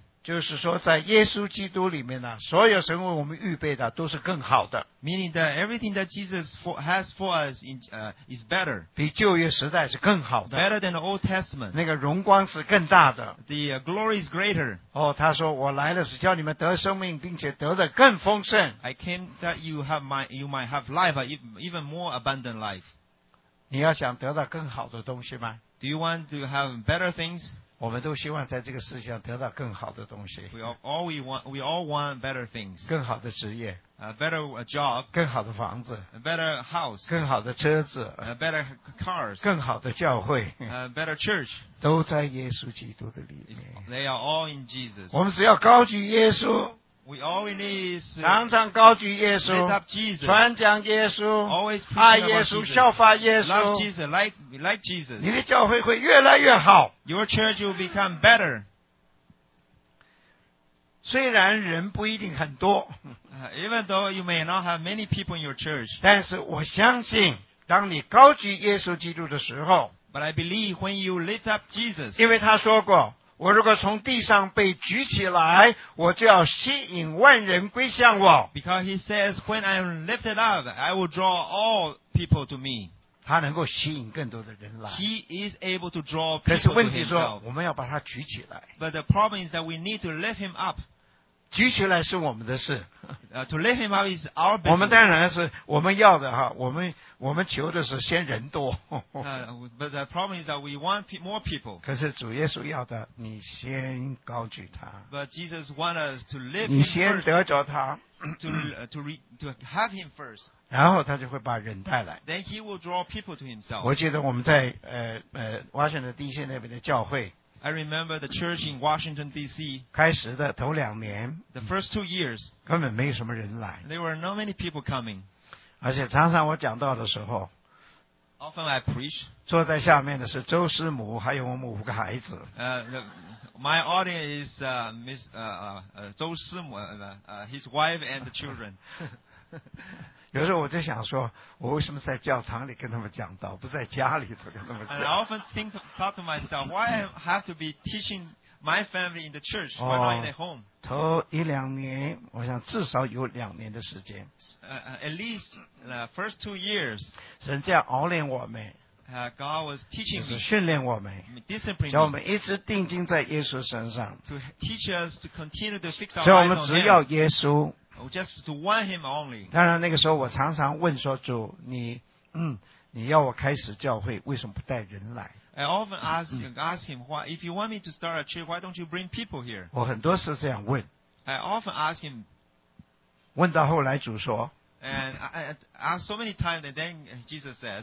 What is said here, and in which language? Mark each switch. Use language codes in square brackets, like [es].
[zh] 就是说在耶稣基督里面呢，所有神为我们预备的都是更好的。 [en] Meaning that everything that Jesus has for us is better. [zh] 比旧约时代是更好的。 [en] Better than the Old Testament. [zh] 那个荣光是更大的。 [en] The glory is greater. [zh] 哦，他说我来了是叫你们得生命，并且得的更丰盛。 [en] I came that you might have life, even more abundant life. [zh] 你要想得到更好的东西吗 [en] ？Do you want to have better things？ [zh] 我们都希望在这个世界上得到更好的东西。 [en] We all want better things。 [zh] 更好的职业。 [en] A better job。 [zh] 更好的房子。 [en] A better house。 [zh] 更好的车子。 [en] A better cars。 [zh] 更好的教会。 [en] A better church。 [zh] 都在耶稣基督的里面。 [en] They are all in Jesus。 [zh] 我们只要高举耶稣。 [en] We all we need is [zh] 常常高举耶稣 [en] lift up Jesus, [zh] 传讲耶稣 [en] always [zh] 爱耶稣效法耶稣 [en] love Jesus, like Jesus. [zh] 你的教会会越来越好 [en] your church will become better [zh] 虽然人不一定很多 [en] even though you may not have many people in your church [zh] 但是我相信当你高举耶稣基督的时候 [en] but I believe when you lift up Jesus [zh] 因为他说过我如果从地上被举起来，我就要吸引万人归向我。 [en] Because he says, when I'm lifted up, I will draw all people to me. [zh] 他能够吸引更多的人来。 [en] He is able to draw people to himself. [zh] 可是问题说，我们要把他举起来。 [en] But the problem is that we need to lift him up. [zh] 举起来是我们的事。 [en] To lift him up is our business. [zh] 我们当然是我们要的哈，我们求的是先人多。 [en] But the problem is that we want more people. [zh] 可是主耶稣要的，你先高举他。 [en] But Jesus wants us to lift him first. [zh] 你先得着他。 [en] To have him first. [zh] 然后他就会把人带来。 [en] Then he will draw people to himself. [zh] 我记得我们在Washington D.C. 那边的教会。 [en] I remember the church in Washington D.C. [zh] 开始的头两年 [en] ，the first 2 years [zh] 根本没什么人来 [en] ，there were not many people coming。 [zh] 而且常常我讲到的时候 [en] ，often I preach。 [zh] 坐在下面的是周师母，还有我们五个孩子。 [en] My audience is Miss 周师母 his wife and the children 。 [zh] 有时候我就想说，我为什么在教堂里跟他们讲道，不在家里头跟他们讲 [en] ？And I often thought to myself, why I have to be teaching my family in the church when not in the home? [zh] 头一两年，我想至少有两年的时间。 [en] At least the first 2 years. [zh] 神这样熬炼我们。 [en] God was teaching me. [zh] 就是训练我们。 [en] Discipline. [zh] 叫我们一直定睛在耶稣身上。 [en] To teach us to continue to fix our eyes on Him. [zh] 所以我们只要耶稣。 [en] Just to want him only. [zh] 当然那个时候我常常问说主你要我开始教会为什么不带人来 [en] I often ask him why, if you want me to start a church why don't you bring people here [zh] 我很多次这样问 [en] I often ask him [zh] 问到后来主说 [en] And I asked so many times and then Jesus said